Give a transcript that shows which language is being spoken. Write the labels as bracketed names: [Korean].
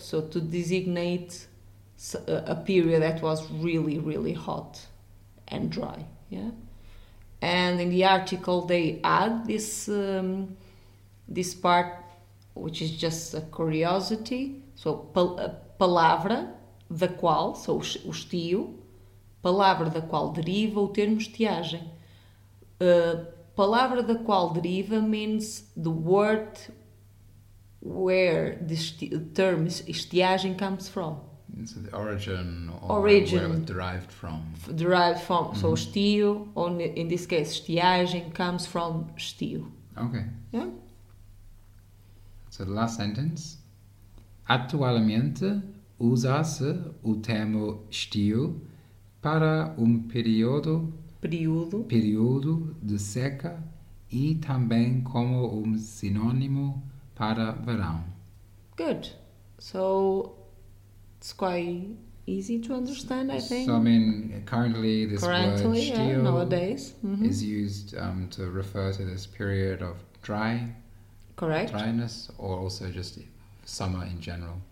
[English] So to designate a period that was really, really hot and dry. Yeah. And in the article they add this this part, which is just a curiosity. [Portuguese] So palavra da qual, so o estio, palavra da qual deriva o termo estiagem. Palavra da qual deriva [English] means the word where the term estiagem comes from. It's the origin or origin, where it derived from. Derived from, mm-hmm. So estio, or in this case estiagem comes from estio. Okay. Yeah. So the last sentence. [Portuguese] Atualmente usa-se o termo estio para um período de seca e também como um sinônimo para verão. [English] Good. So, it's quite easy to understand, I think. So, I mean, currently this currently, word estio yeah, nowadays. Mm-hmm. Is used to refer to this period of dry. Correct. Dryness or also just summer in general.